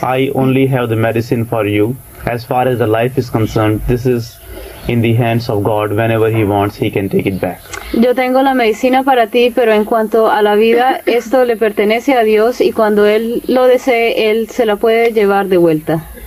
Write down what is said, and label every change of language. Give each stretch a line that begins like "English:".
English: I only have the medicine for you. As far as the life is concerned, this is in the hands of God. Whenever he wants, he can take it back.
Spanish: Yo tengo la medicina para ti, pero en cuanto a la vida, esto le pertenece a Dios, y cuando él lo desee, él se la puede llevar de vuelta.